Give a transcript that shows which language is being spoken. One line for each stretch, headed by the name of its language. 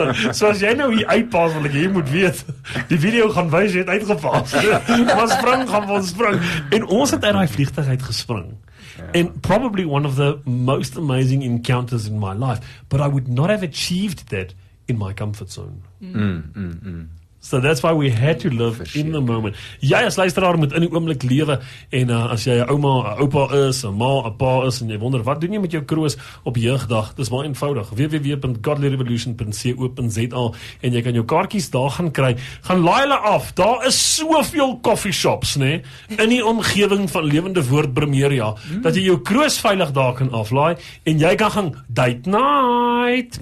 Afrikaans: So as jy nou hier uitpas, wil ek jy moet weet, die video gaan wys, jy het uitgepas. Maar spring, gaan we spring. En ons het uit die vliegtuig uitgesprong. Yeah.
English: And probably one of the most amazing encounters in my life. But I would not have achieved that in my comfort zone. So that's why we had to live in the moment.
Afrikaans: Jy as luisteraar moet in die oomblik lewe. En as jy 'n ouma, 'n oupa is, 'n ma, 'n pa is, en jy wonder, wat doen jy met jou kroos op jeugdag? Dis baie eenvoudig. www.godlyrevolution.co.za en jy kan jou kaartjies daar gaan kry. Gaan laai hulle af. Daar is soveel coffee shops, nê, in die omgewing van Lewende Woord Bremeria, dat jy jou kroos veilig daar kan aflaai, en jy kan gaan date night.